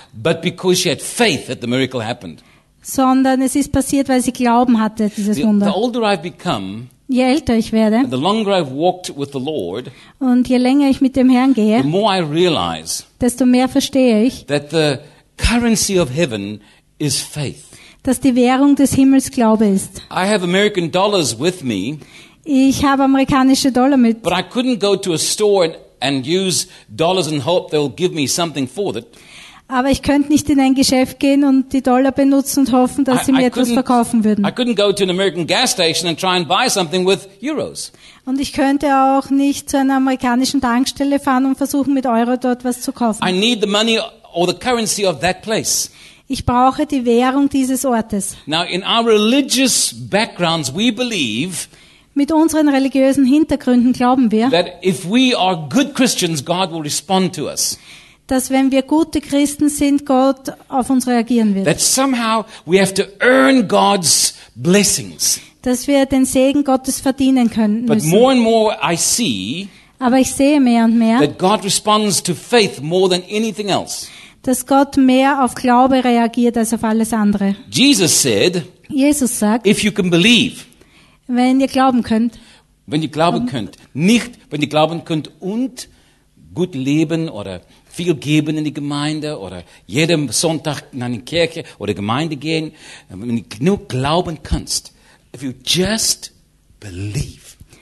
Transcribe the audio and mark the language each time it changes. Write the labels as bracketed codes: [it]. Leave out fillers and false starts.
[en] But because she had faith that the miracle happened. [de] Sondern es ist passiert, weil sie Glauben hatte, dieses Wunder. [en] The older I've become, [de] je älter ich werde, [en] the longer I've walked with the Lord, [de] und je länger ich mit dem Herrn gehe, [en] the more I realize, [de] desto mehr verstehe ich, [en] that the currency of heaven is faith. [de] Dass die Währung des Himmels Glaube ist. [en] I have American dollars with me. [de] Ich habe amerikanische Dollar mit. [en] But I couldn't go to a store and use dollars and hope they'll give me something for it. [de] Aber ich könnte nicht in ein Geschäft gehen und die Dollar benutzen und hoffen, dass sie mir etwas verkaufen würden. [en] I couldn't go to an American gas station and try and buy something with euros. [de] Und ich könnte auch nicht zu einer amerikanischen Tankstelle fahren und versuchen, mit Euro dort was zu kaufen. [en] I need the money or the currency of that place. [de] Ich brauche die Währung dieses Ortes. [en] Now in our religious backgrounds we believe, [de] mit unseren religiösen Hintergründen glauben wir, [en] that if we are good Christians, God will respond to us. [de] Dass wenn wir gute Christen sind, Gott auf uns reagieren wird. [en] That somehow we have to earn God's blessings. [de] Dass wir den Segen Gottes verdienen können müssen. [en] But more and more I see, [de] aber ich sehe mehr und mehr, [en] that God responds to faith more than anything else. [de] Dass Gott mehr auf Glaube reagiert als auf alles andere. [en] Jesus said, [de] Jesus sagt, [en] if you can believe, [de] wenn ihr glauben könnt, wenn ihr glauben könnt, nicht wenn ihr glauben könnt und gut leben oder viel geben in die Gemeinde oder jeden Sonntag in eine Kirche oder Gemeinde gehen, wenn ihr nur glauben könnt, [en] if you just believe,